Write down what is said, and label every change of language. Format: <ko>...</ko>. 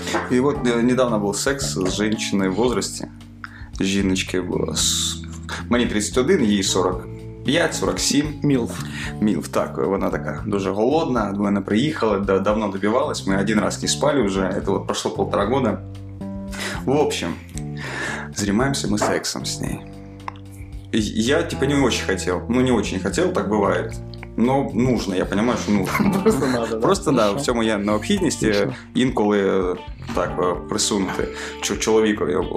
<uk>І от недавно був секс з жінчиною в возрасті. Жіночки було. Мені 31, їй 45, 47. Мілф. Мілф, так. Вона така дуже голодна. Вона приїхала, давно добивалась. Ми один раз не спали вже. Це от пройшло півтора року.</uk> <ru>В общем, занимаемся мы сексом с ней. Я типа не очень хотел. Ну не очень хотел, так бывает. Но нужно, я понимаю, что нужно. Просто надо.</ru> <uk>Просто да, в цьому я необхідності інколи так присунути чоловікові.</uk>